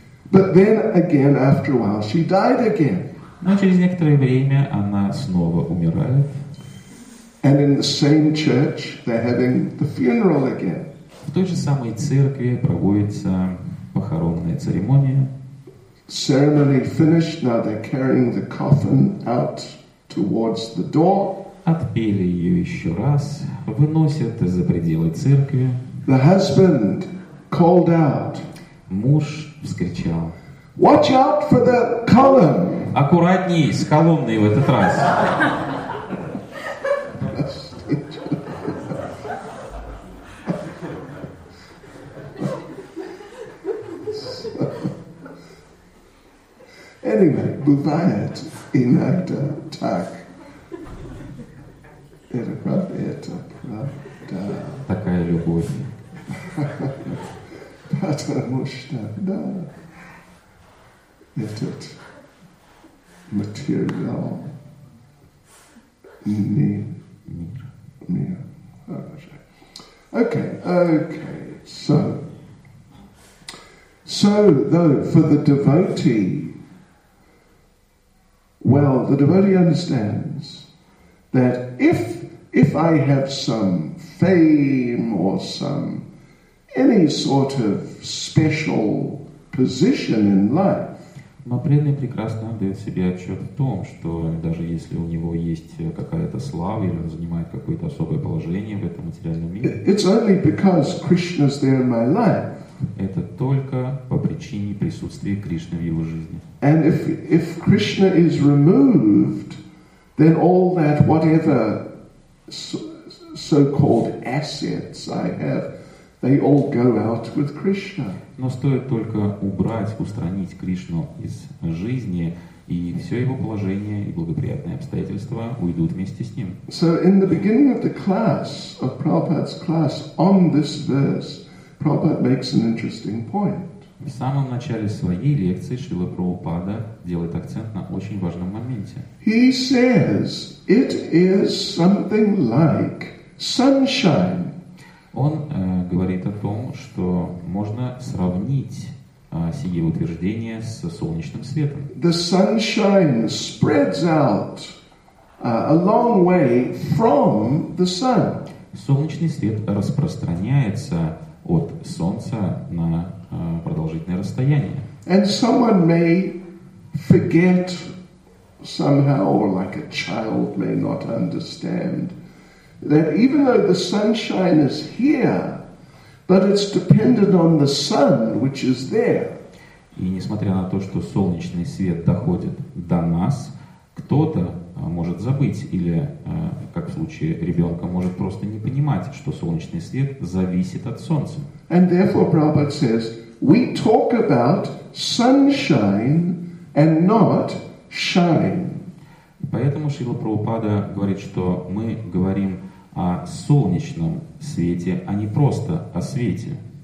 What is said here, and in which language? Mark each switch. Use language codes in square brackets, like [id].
[en] But then again, after a while, she died again. [ru] Но через некоторое время она снова умирает. [en] And in the same church, they're having the funeral again. [ru] В той же самой церкви проводится похоронная церемония. [en] Ceremony finished, now they're carrying the coffin out towards the door. [ru] Отпели ее еще раз, выносят за пределы церкви. [en] The husband called out. [ru] Муж вскричал. [en] Watch out for the column. [ru] Аккуратней с колонной в этот раз. [en] Anyway, [ru] бывает иногда так. Это правда. Такая любовь. Потому что, да, этот материал не хорошо. [en] Okay. So, though, for the devotee, well, the devotee understands that if I have some fame or some any sort of special position in life. [ru] Но преданный прекрасно отдает себе отчет в том, что даже если у него есть какая-то слава или он занимает какое-то особое положение в этом материальном мире. [en] It's only because Krishna's there in my life. [ru] Это только по причине присутствия Кришны в его жизни. [en] And if Krishna is removed, then all that whatever so-called assets I have, they all go out with Krishna. [ru] Но стоит только убрать, устранить Кришну из жизни, и все его положение и благоприятные обстоятельства уйдут вместе с ним. [en] So in the beginning of the class, of Prabhupada's class on this verse, Prabhupada makes an interesting point. [ru] В самом начале своей лекции Шрила Прабхупада делает акцент на очень важном моменте. [en] He says it is something like sunshine. [ru] Он говорит о том, что можно сравнить сие утверждение с солнечным светом. [en] The sunshine spreads out a long way from the sun. [ru] Солнечный свет распространяется от Солнца на продолжительное расстояние. [en] And someone may forget somehow, or like a child may not understand, that even though the sunshine is here, but it's dependent on the sun, which is there. [ru] И несмотря на то, что солнечный свет доходит до нас, кто-то может забыть, или, как в случае ребенка, может просто не понимать, что солнечный свет зависит от солнца. [en] And therefore, Prabhupada says, we talk about sunshine and not shine. [ru] Поэтому Шрила Прабхупада говорит, что мы говорим о солнечном свете, а не просто о свете.